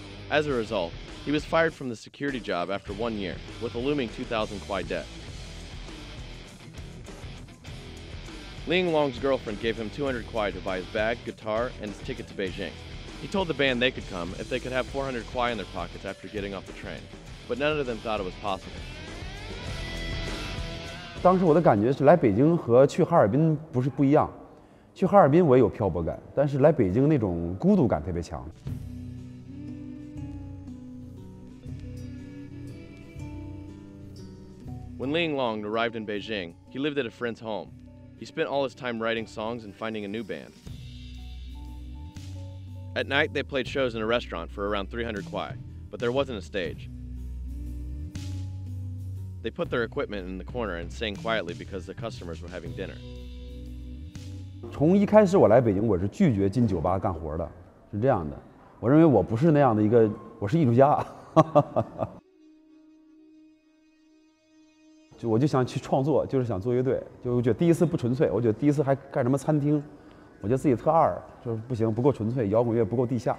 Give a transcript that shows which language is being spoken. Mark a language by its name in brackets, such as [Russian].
[English] As a result, he was fired from the security job after 1 year, with a looming 2,000 kuai debt. Liang Long's girlfriend gave him 200 kuai to buy his bag, guitar, and his ticket to Beijing. He told the band they could come if they could have 400 kuai in their pockets after getting off the train. But none of them thought it was possible. [Chinese] 当时我的感觉是来北京和去哈尔滨不是不一样。去哈尔滨我也有漂泊感，但是来北京那种孤独感特别强。 [English] When Liang Long arrived in Beijing, he lived at a friend's home. He spent all his time writing songs and finding a new band. At night, they played shows in a restaurant for around 300 kuai, but there wasn't a stage. They put their equipment in the corner and sang quietly because the customers were having dinner. [Chinese] 从一开始我来北京，我是拒绝进酒吧干活的，是这样的。我认为我不是那样的一个，我是艺术家。我就想去创作，就是想做乐队，就觉得第一次不纯粹，我觉得第一次还干什么餐厅，我觉得自己特二，就是不行，不够纯粹，摇滚乐不够地下。